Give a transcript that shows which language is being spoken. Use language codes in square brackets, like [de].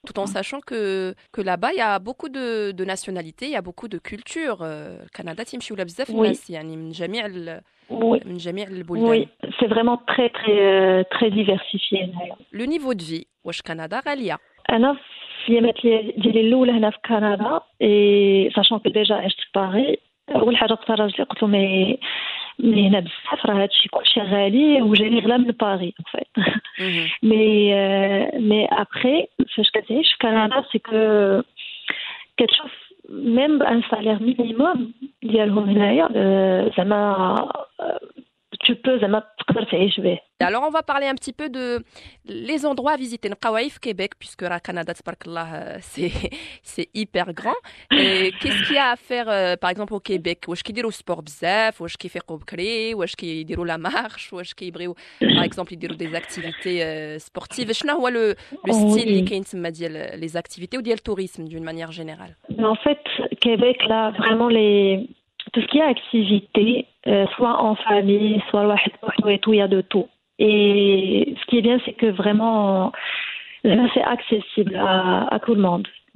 [fr] tout en sachant que là-bas il y a beaucoup de nationalités, il y a beaucoup de cultures. [ar] Canada تيمشي ولا بزاف الناس يعني من جميع البلدان. [fr] Oui, c'est vraiment très très très diversifié. Le niveau de vie [ar] واش كندا غالية؟ انا في يامات ديالي الاولى هنا في كندا [fr] اي ساشون كو ديجا [ar] عشت في باري اول حاجه اقترح لي قلت له مي هنا بزاف راه هادشي كلشي غالي وجاني غلا من باري ان فيت [fr] مي ابري [ar] فاش كتعيش في كندا [fr] سي كو [ar] كتشوف [fr] ميم ان سالير مينيموم [ar] ديالهم هنايا زعما tu peux زعما تقدر تعيش به. [fr] Alors on va parler un petit peu de les endroits à visiter. [ar] نبقاو في [fr] Québec puisque la Canada [ar] تبارك الله [fr] c'est hyper grand. Qu'est-ce qu'il y a à faire par exemple au Québec? [ar] واش كيديروا سبورت بزاف؟ واش كيفيقوا بكري؟ واش كيديروا [fr] لا مارش؟ [ar] واش كيبغيو [fr] par exemple [ar] يديروا [fr] des activités sportives? [ar] شنو هو [fr] le style [ar] اللي كاين تما ديال [fr] les activités ou ديال tourisme d'une manière générale? En fait, Québec là vraiment les tout ce qui est activité, soit en famille, soit l'ouahid, et tout, il y a de tout. Et ce qui est bien, c'est que vraiment, c'est accessible à tout le monde.